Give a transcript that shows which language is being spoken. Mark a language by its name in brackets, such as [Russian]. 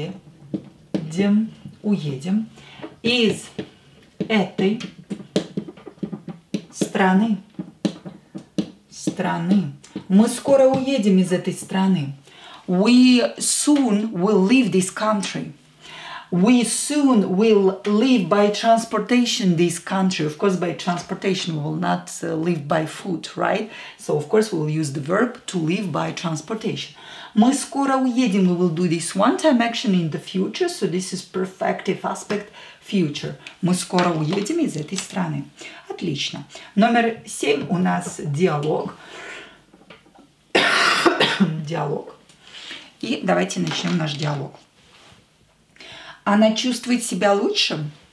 [Russian] Мы скоро уедем из этой страны. Мы скоро уедем из этой страны. [English] We soon will leave this country. We soon will leave by transportation this country. Of course, by transportation, we will not leave by foot, right? So, of course, we'll use the verb to leave by transportation. [Russian] Мы скоро уедем. [English] We will do this one-time action in the future. So, this is perfective aspect future. [Russian] Мы скоро уедем из этой страны. Отлично. Номер 7 у нас диалог. Диалог. И давайте начнем наш диалог. Она чувствует себя лучше?